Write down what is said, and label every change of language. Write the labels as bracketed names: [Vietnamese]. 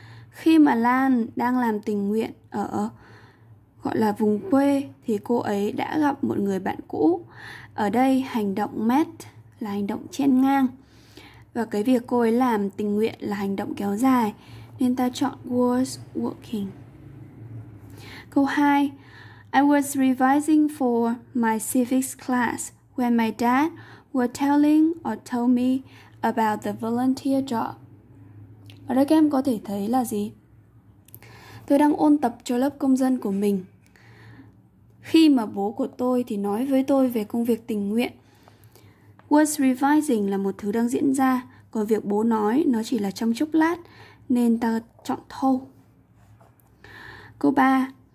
[Vietnamese] Khi mà Lance đang làm tình nguyện ở gọi là vùng quê thì cô ấy đã gặp một người bạn cũ. Ở đây hành động met là hành động chen ngang. Và cái việc cô ấy làm tình nguyện là hành động kéo dài. Nên ta chọn was working. Câu 2. [English] I was revising for my civics class when my dad were telling or told me about the volunteer job. [Vietnamese] Ở đây các em có thể thấy là gì? Tôi đang ôn tập cho lớp công dân của mình. Khi mà bố của tôi thì nói với tôi về công việc tình nguyện. Was revising là một thứ đang diễn ra, còn việc bố nói nó chỉ là trong chốc lát, nên ta chọn thâu. Câu 3.